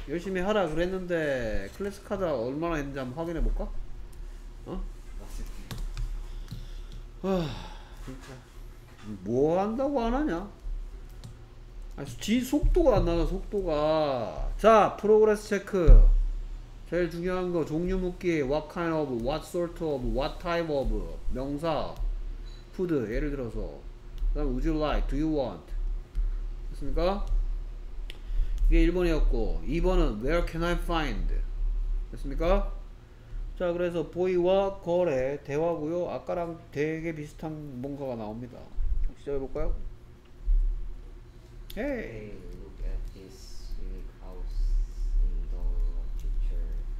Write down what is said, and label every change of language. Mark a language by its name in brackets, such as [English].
[Korean] 열심히 하라 그랬는데, 클래스 카드 얼마나 했는지 한번 확인해 볼까? 어? 진짜. 뭐 한다고 안 하냐? 아니, 속도가 안 나가, 속도가. 자, 프로그레스 체크. 제일 중요한 거, 종류 묻기. [English] What kind of, what sort of, what type of. [Korean] 명사. Food, 예를 들어서. 그 다음, [English] would you like, do you want. [Korean] 됐습니까? 이게 1번이었고, 2번은 where can I find. 됐습니까? 자, 그래서 보이와 걸의 대화고요. 아까랑 되게 비슷한 뭔가가 나옵니다. 시작해 볼까요? [English] Hey. Hey, look at this unique house in the picture.